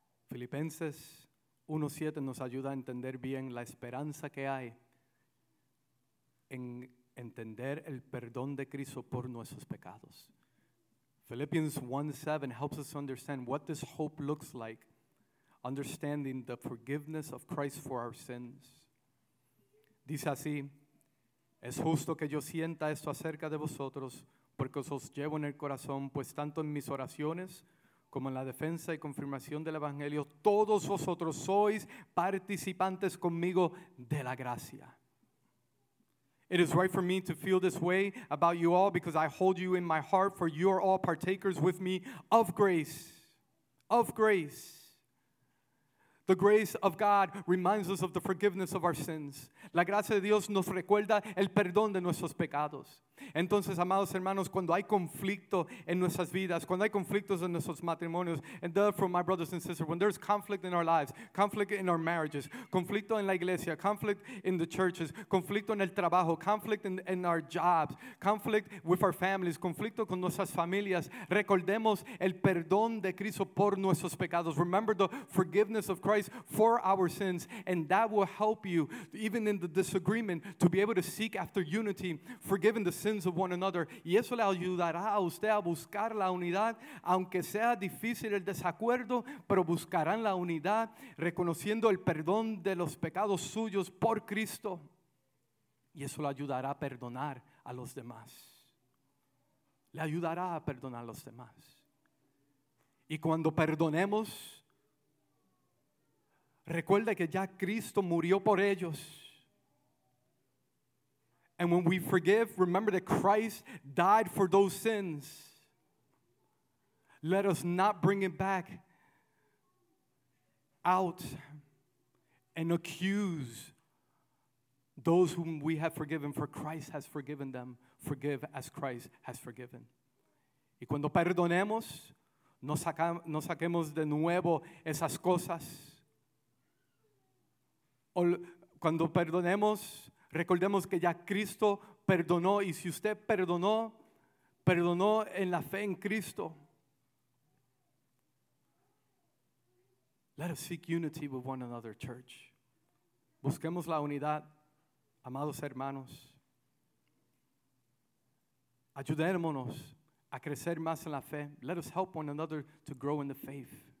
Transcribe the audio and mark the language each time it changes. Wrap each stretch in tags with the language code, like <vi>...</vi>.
<es>Filipenses 1:7 nos ayuda a entender bien la esperanza que hay en entender el perdón de Cristo por nuestros pecados.</es> <en>Philippians 1:7 helps us understand what this hope looks like, understanding the forgiveness of Christ for our sins.</en> <es>Dice así, es justo que yo sienta esto acerca de vosotros, porque os llevo en el corazón, pues tanto en mis oraciones como en la defensa y confirmación del Evangelio, todos vosotros sois participantes conmigo de la gracia.</es> <en>It is right for me to feel this way about you all because I hold you in my heart, for you are all partakers with me of grace. Of grace. The grace of God reminds us of the forgiveness of our sins.</en> <es>La gracia de Dios nos recuerda el perdón de nuestros pecados. Entonces, amados hermanos, cuando hay conflicto en nuestras vidas, cuando hay conflictos en nuestros matrimonios,</es> <en>and therefore, my brothers and sisters, when there's conflict in our lives, conflict in our marriages,</en> <es>conflicto en la iglesia,</es> <en>conflict in the churches,</en> <es>conflicto en el trabajo,</es> <en>conflict in our jobs, conflict with our families,</en> <es>conflicto con nuestras familias, recordemos el perdón de Cristo por nuestros pecados.</es> <en>Remember the forgiveness of Christ for our sins, and that will help you, even in the disagreement, to be able to seek after unity, forgiving the sins of one another.</en> <es>Y eso le ayudará a usted a buscar la unidad, aunque sea difícil el desacuerdo, pero buscarán la unidad reconociendo el perdón de los pecados suyos por Cristo. Y eso le ayudará a perdonar a los demás. Le ayudará a perdonar a los demás. Y cuando perdonemos, recuerde que ya Cristo murió por ellos.</es> <en>And when we forgive, remember that Christ died for those sins. Let us not bring it back out and accuse those whom we have forgiven, for Christ has forgiven them. Forgive as Christ has forgiven.</en> <es>Y cuando perdonemos, no saquemos de nuevo esas cosas. Cuando perdonemos, recordemos que ya Cristo perdonó, y si usted perdonó, perdonó en la fe en Cristo.</es> <en>Let us seek unity with one another, church.</en> <es>Busquemos la unidad, amados hermanos. Ayudémonos a crecer más en la fe.</es> <en>Let us help one another to grow in the faith.</en>